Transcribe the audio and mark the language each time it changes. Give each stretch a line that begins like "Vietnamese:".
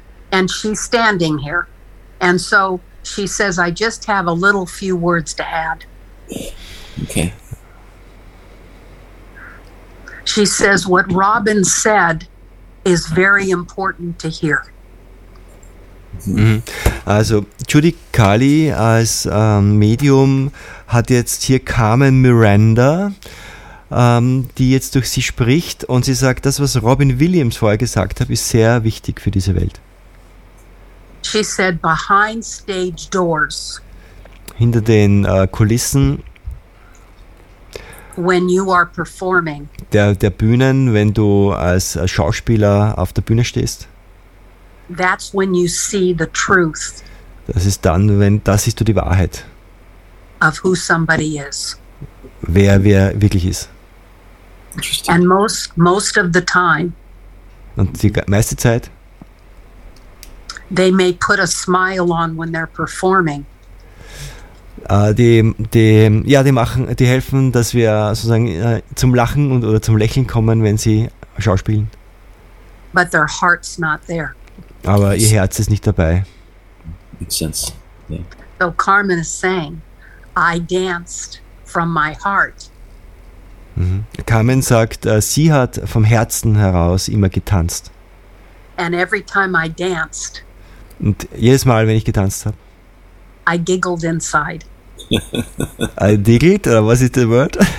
English: And she's standing here. And so she says, I just have a little few words to add. Okay. She says, what Robin said is very important to hear.
German: Also Judy Kali als Medium hat jetzt hier Carmen Miranda, die jetzt durch sie spricht, und sie sagt, das, was Robin Williams vorher gesagt hat, ist sehr wichtig für diese Welt.
English: She said, behind stage doors.
German: Hinter den Kulissen.
English: When you are performing.
German: Der Bühnen, wenn du als Schauspieler auf der Bühne stehst.
English: That's when you see the truth.
German: Das ist dann, wenn da siehst du die Wahrheit.
English: Of who somebody is.
German: Wer wirklich ist.
English: And most of the time.
German: Und die meiste Zeit.
English: They may put a smile on when they're performing.
German: Die helfen, dass wir sozusagen zum Lachen und oder zum Lächeln kommen, wenn sie schauspielen.
English: But their heart's not there.
German: Aber ihr Herz ist nicht dabei.
English: Makes sense. So Carmen is saying, I danced from my heart.
German: Carmen sagt, sie hat vom Herzen heraus immer getanzt.
English: And every time I danced.
German: Und jedes Mal, wenn ich getanzt habe.
English: I giggled inside. I diggled,
German: oder was ist das Wort?